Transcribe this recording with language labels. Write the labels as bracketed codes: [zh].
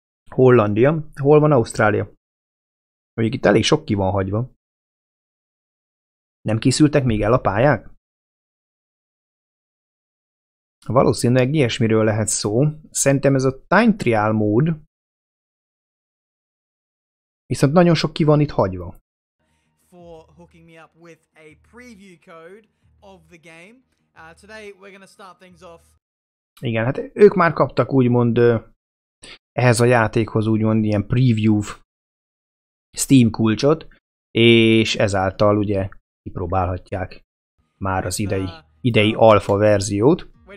[hu] Hollandia. Hol van Ausztrália? Mondjuk itt elég sok ki van hagyva. Nem készültek még el a pályák? Valószínűleg ilyesmiről lehet szó. Szerintem ez a time trial mód. Viszont nagyon sok ki van itt hagyva. [en] For hooking me up with a preview code of the game. Today we're gonna start things off. [hu] Igen, hát ők már kaptak úgymond ehhez a játékhoz úgymond ilyen preview Steam kulcsot, és ezáltal ugye kipróbálhatják már az idei alfa verziót.